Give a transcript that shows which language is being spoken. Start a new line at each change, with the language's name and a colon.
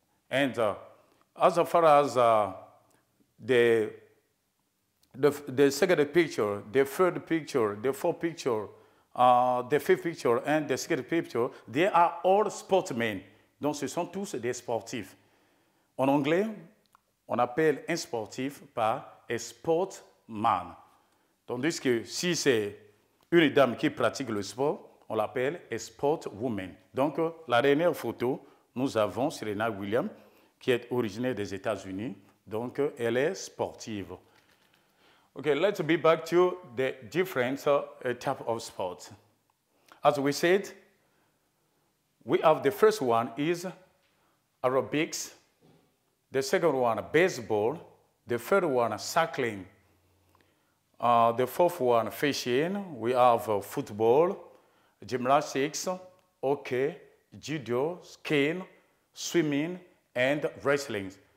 English: And as far as the second picture, the third picture, the fourth picture, the fifth picture, and the sixth picture, they are all sportsmen.
French: Donc, ce sont tous des sportifs. En anglais, on appelle un sportif par a sportman. Tandis que si c'est une dame qui pratique le sport, on l'appelle a sportwoman. Donc, la dernière photo, nous avons Serena Williams, qui est originaire des États-Unis. Donc, elle est sportive.
English: OK, let's be back to the different type of sports. As we said, we have the first one is aerobics, the second one baseball, the third one cycling, the fourth one fishing, we have football, gymnastics, hockey, judo, skiing, swimming, and wrestling.